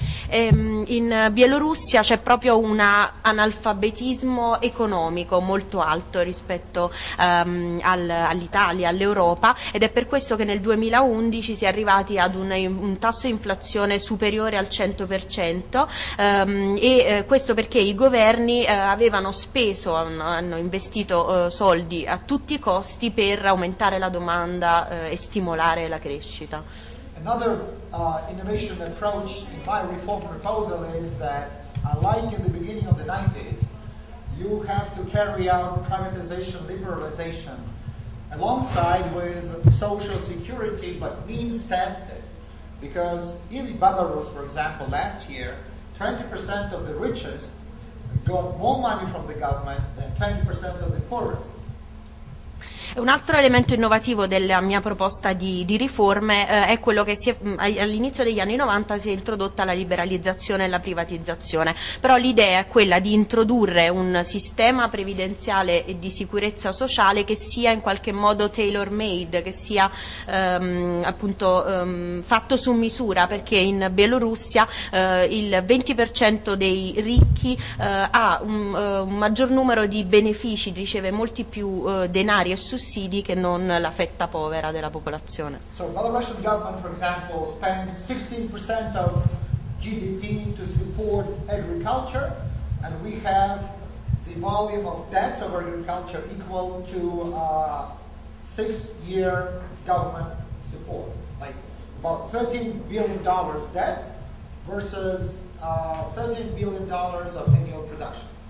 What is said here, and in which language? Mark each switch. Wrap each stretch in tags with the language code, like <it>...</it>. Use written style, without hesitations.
<it>In Bielorussia c'è proprio un analfabetismo economico molto alto rispetto all'Italia, all'Europa, ed è per questo che nel 2011 si è arrivati ad un tasso di inflazione superiore al 100%, questo perché i governi avevano speso, hanno investito soldi a tutti i costi per aumentare la domanda e stimolare la crescita.</it> <en>Another innovation approach in my reform proposal is that, unlike in the beginning of the 90s, you have to carry out privatization, liberalization, alongside with social security, but means tested. Because in Belarus, for example, last year, 20% of the richest got more money from the government than 20% of the poorest.</en> <it>Un altro elemento innovativo della mia proposta di riforme è quello che all'inizio degli anni 90 si è introdotta la liberalizzazione e la privatizzazione, però l'idea è quella di introdurre un sistema previdenziale e di sicurezza sociale che sia in qualche modo</it> <en>tailor made,</en> <it>che sia fatto su misura, perché in Bielorussia il 20% dei ricchi ha un maggior numero di benefici, riceve molti più denari e sussidi che non la fetta povera della popolazione.</it> <en>So the Belarusian government, for example, spends 16% of GDP to support agriculture, and we have the volume of debts of agriculture equal to a 6-year government support, like about $13 billion debt versus $13 billion of annual production.</en>